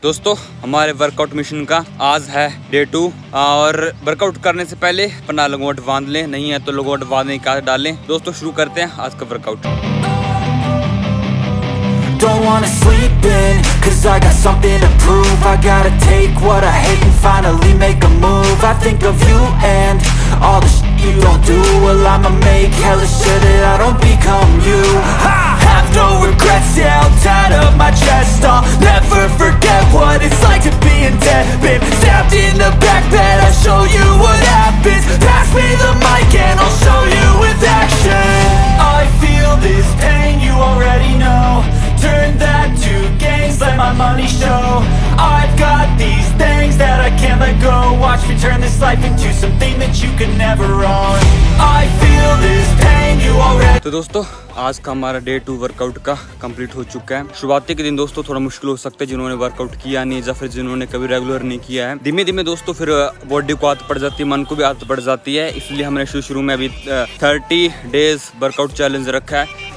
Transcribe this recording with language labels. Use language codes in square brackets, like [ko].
[hi] दोस्तों हमारे workout mission का आज है डे टू और वर्कआउट करने से पहले अपना लंगोट बांध लें, नहीं है तो लंगोट बांधने का डालें। दोस्तों शुरू करते हैं आज का workout. [en] Don't wanna sleep in, cause I got something to prove. I gotta take what I hate and finally make a move. I think of you and all the shit you don't do. Well, I'ma make hella sure that I don't become you. I have no regrets, yeah, I'll tie up my chest. I'll never forget what it's like to be in debt. Been stabbed in the back bed, I'll show you what happens. Pass me the mic and I'll show you with action. I feel this pain, you already know. Turn that to gains, let my money show. I've got these things that I can't let go. Watch me turn this life into something that you could never own. I feel this pain, you already. [hi] So, dosto. आज का हमारा day to workout का complete हो चुका है। शुरुआती के दिन दोस्तों थोड़ा मुश्किल हो सकता है जिन्होंने वर्कआउट किया नहीं या फिर जिन्होंने कभी रेगुलर नहीं किया है। धीमे धीमे दोस्तों फिर बॉडी को आदत पड़ जाती है, मन को भी आदत पड़ जाती है, इसलिए हमने शुरू में अभी 30 डेज वर्कआउट चैलेंज रखा है।